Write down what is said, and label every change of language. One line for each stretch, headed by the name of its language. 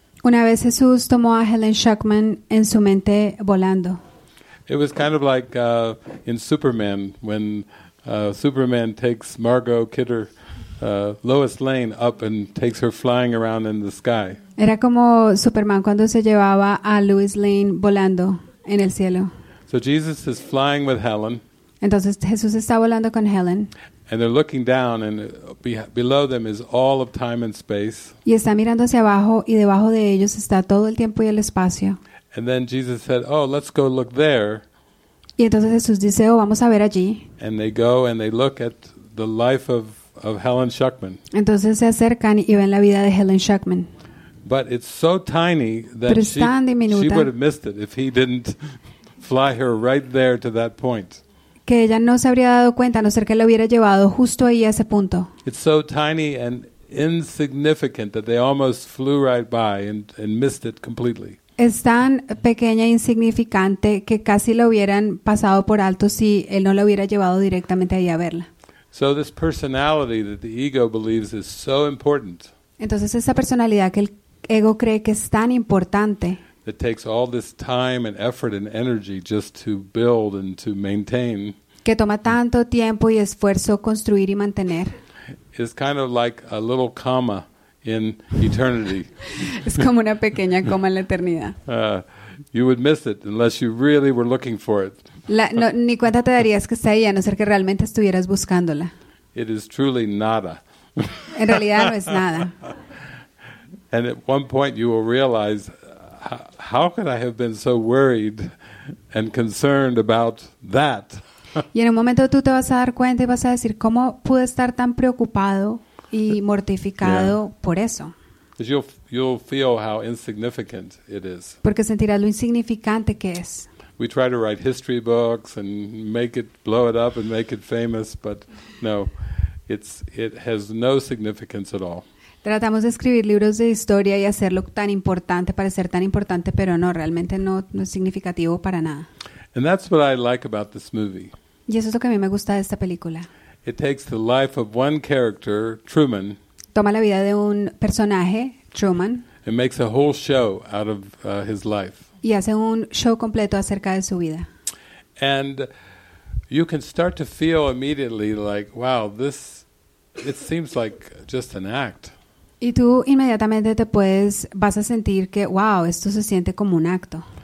Spanish: Una vez Jesús tomó a Helen Schuckman en su mente volando.
English: It was kind of like in Superman when Superman takes Margot Kidder Lois Lane up and takes her flying around in the sky.
Spanish: Era como Superman cuando se llevaba a Lois Lane volando. En el cielo.
English: So Jesus is flying with Helen.
Spanish: Entonces Jesús está volando con Helen.
English: And they're looking down, and below them is all of time and space.
Spanish: Y está mirando hacia abajo, y debajo de ellos está todo el tiempo y el espacio.
English: And then Jesus said, "Oh, let's go look there."
Spanish: Y entonces Jesús dice, "Oh, vamos a ver allí."
English: And they go and they look at the life of Helen Schuckman.
Spanish: Entonces se acercan y ven la vida de Helen Schuckman.
English: But it's so tiny that she would have missed it if he didn't fly her right there to that point.
Spanish: Que ella no se habría dado cuenta, a no ser que la hubiera llevado justo ahí a ese punto.
English: It's so tiny and insignificant that they almost flew right by and missed it completely.
Spanish: Es tan pequeña e insignificante que casi lo hubieran pasado por alto si él no lo hubiera llevado directamente ahí a verla.
English: So this personality that the ego believes is so important.
Spanish: Entonces esa personalidad que el ego cree que es tan importante.
English: It takes all this time and effort and energy just to build and to maintain.
Spanish: Que toma tanto tiempo y esfuerzo construir y mantener.
English: It's kind of like a little comma in eternity.
Spanish: Es como una pequeña coma en la eternidad.
English: You would miss it unless you really were looking for it.
Spanish: Ni cuenta te darías que está ahí, a no ser que realmente estuvieras buscándola.
English: It is truly nada.
Spanish: En realidad no es nada.
English: And at one point you will realize, how could I have been so worried and concerned about that?
Spanish: Y en un momento tú te vas a dar cuenta y vas a decir, ¿cómo pude estar tan preocupado y mortificado por eso?
English: You'll feel how insignificant it is.
Spanish: Porque sentirás lo insignificante que es.
English: We try to write history books and make it, blow it up and make it famous, but no, it has no significance at all.
Spanish: Tratamos de escribir libros de historia y hacerlo tan importante, parecer tan importante, pero no, realmente no es significativo para nada.
English: And that's what I like about this movie.
Spanish: Y eso es lo que a mí me gusta de esta película.
English: It takes the life of one character, Truman.
Spanish: Toma la vida de un personaje, Truman.
English: And makes a whole show out of his life.
Spanish: Y hace un show completo acerca de su vida.
English: And you can start to feel immediately like, wow, this, it seems like just an act.
Spanish: Y tú inmediatamente te puedes, vas a sentir que, wow, esto se siente como un acto.